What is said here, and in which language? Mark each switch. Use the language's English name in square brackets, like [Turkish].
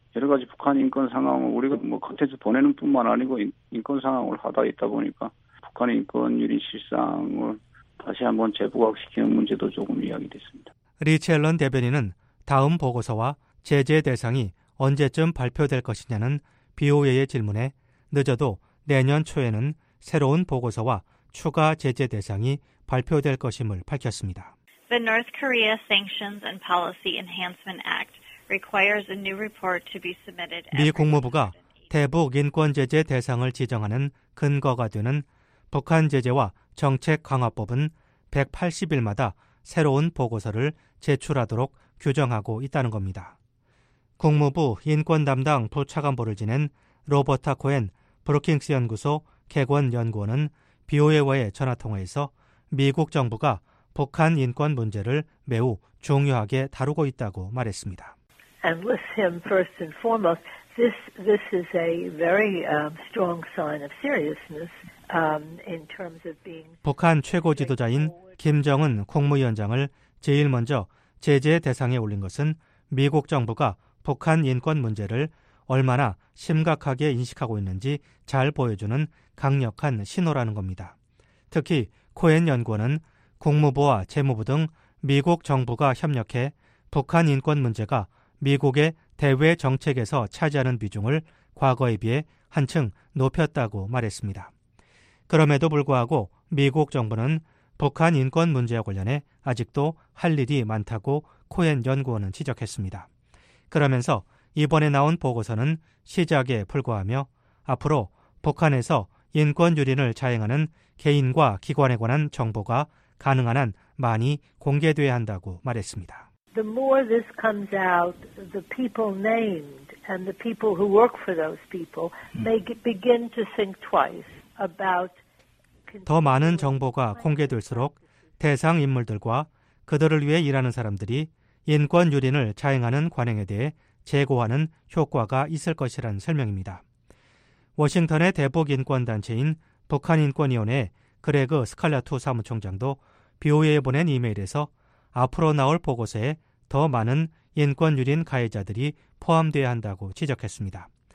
[Korean] 여러 가지 북한 인권 상황을 우리가 뭐 콘텐츠 보내는 뿐만 아니고 인권 상황을 하다 있다 보니까 북한 인권 유린 실상을 다시 한번 재부각시키는 문제도 조금 이야기됐습니다. 리첼런 대변인은 다음 보고서와 제재 대상이 언제쯤 발표될 것이냐는 BOA의 질문에 늦어도 내년 초에는 새로운 보고서와 추가 제재 대상이 발표될 것임을 밝혔습니다. [English] The North Korea Sanctions and Policy Enhancement Act requires a new report to be submitted. [Korean] 미 국무부가 대북 인권 제재 대상을 지정하는 근거가 되는 북한 제재와 정책 강화법은 180일마다 새로운 보고서를 제출하도록 규정하고 있다는 겁니다. 국무부 인권 담당 부차관보를 지낸 로버타 코엔 브루킹스 연구소 개관 연구원은 BOA와의 전화통화에서 미국 정부가 북한 인권 문제를 매우 중요하게 다루고 있다고 말했습니다. [English] And with him first and foremost, this is a very strong sign of seriousness in terms of being [Korean] 북한 최고 지도자인 김정은 국무위원장을 제일 먼저 제재 대상에 올린 것은 미국 정부가 북한 인권 문제를 얼마나 심각하게 인식하고 있는지 잘 보여주는 강력한 신호라는 겁니다. 특히 코엔 연구원은 국무부와 재무부 등 미국 정부가 협력해 북한 인권 문제가 미국의 대외 정책에서 차지하는 비중을 과거에 비해 한층 높였다고 말했습니다. 그럼에도 불구하고 미국 정부는 북한 인권 문제와 관련해 아직도 할 일이 많다고 코엔 연구원은 지적했습니다. 그러면서 이번에 나온 보고서는 시작에 불과하며 앞으로 북한에서 인권 유린을 자행하는 개인과 기관에 관한 정보가 가능한 한 많이 공개돼야 한다고 말했습니다. [English] The more this comes out, the people named and the people who work for those people may begin to think twice about. [Korean] 더 많은 정보가 공개될수록 대상 인물들과 그들을 위해 일하는 사람들이 인권 유린을 자행하는 관행에 대해 재고하는 효과가 있을 것이란 설명입니다. 워싱턴의 대북 인권 단체인 북한 인권위원회 그레그 스칼라투 사무총장도 BOA에 보낸 이메일에서 앞으로 나올 보고서에 더 많은 인권 유린 가해자들이 포함돼야 한다고 지적했습니다.